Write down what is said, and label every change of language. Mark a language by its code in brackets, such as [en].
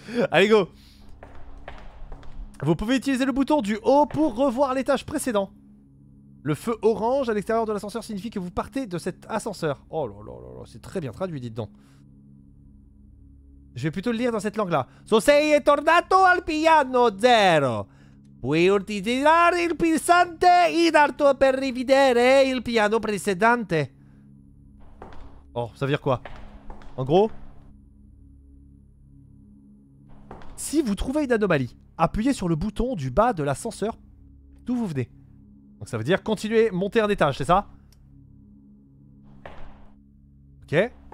[fr] Allez, go. Vous pouvez utiliser le bouton du haut pour revoir l'étage précédent. Le feu orange à l'extérieur de l'ascenseur signifie que vous partez de cet ascenseur. Oh là là là là, c'est très bien traduit, dites donc. Je vais plutôt le lire dans cette langue-là. [it] So sei tornato al piano zero. Puoi utilizzare il pulsante in alto per rivedere il piano precedente. [fr] Oh, ça veut dire quoi? En gros, si vous trouvez une anomalie, appuyez sur le bouton du bas de l'ascenseur d'où vous venez. Donc ça veut dire continuer, monter un étage, c'est ça? Ok.